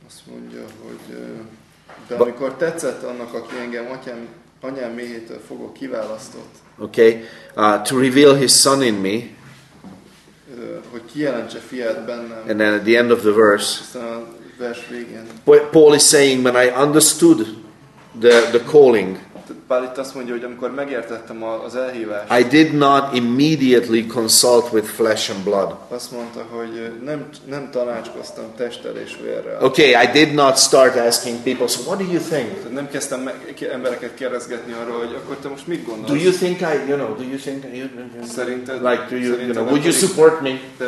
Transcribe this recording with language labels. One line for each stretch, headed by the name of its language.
Hungarian: Mondja, hogy de amikor tetszett annak, aki engem anyám méhétől fogok kiválasztott.
English: Okay, to reveal his son in me.
Hungarian: Hogy kijelentse fiát bennem.
English: And then at the end of the verse.
Hungarian: A vers végén.
English: Paul is saying, when I understood the calling.
Hungarian: Pál itt azt mondja, hogy amikor megértettem az elhívást.
English: I did not immediately consult with flesh and blood.
Hungarian: Azt mondta, hogy nem tanácskoztam testtel és vérrel.
English: Okay, I did not start asking people, so what do you think?
Hungarian: Nem kezdtem embereket kérdezgetni arról, hogy akkor te most mit gondolsz?
English: Do you think I, you know, do you think you
Hungarian: szerinted,
English: like do you, you know, would you support me?